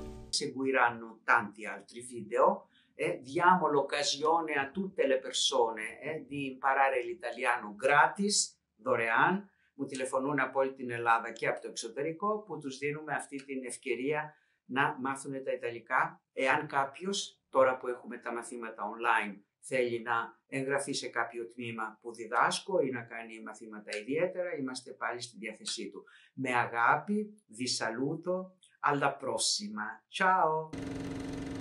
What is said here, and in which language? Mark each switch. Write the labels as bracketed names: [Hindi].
[Italian] Seguiranno tanti altri video e diamo l'occasione a tutte le persone di imparare l'italiano gratis, dorean, mi telefonano [Greek] από όλη την Ελλάδα και από το εξωτερικό που τους δίνουμε αυτή την ευκαιρία να μάθουν τα ιταλικά. Εάν κάποιος, τώρα που έχουμε τα μαθήματα online, θέλει να εγγραφεί σε κάποιο τμήμα που διδάσκω ή να κάνει μαθήματα ιδιαίτερα, είμαστε πάλι στη διάθεσή του. Με αγάπη, [Italian] vi saluto. Alla prossima, ciao!